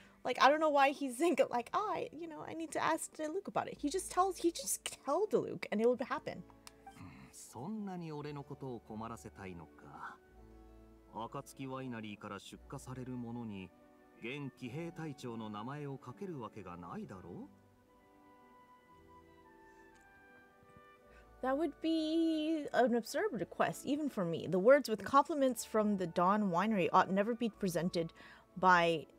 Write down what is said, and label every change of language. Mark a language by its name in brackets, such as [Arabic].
[English] Like, I don't know why he's thinking, like, I need to ask Diluc about it. He just tells Diluc, and it would happen. [Japanese] そんなに俺のことを困らせたいのか。暁ワイナリーから出荷されるものに、現騎兵隊長の名前をかけるわけがないだろう。 [English] That would be an absurd request, even for me. The words with compliments from the Dawn Winery ought never be presented by...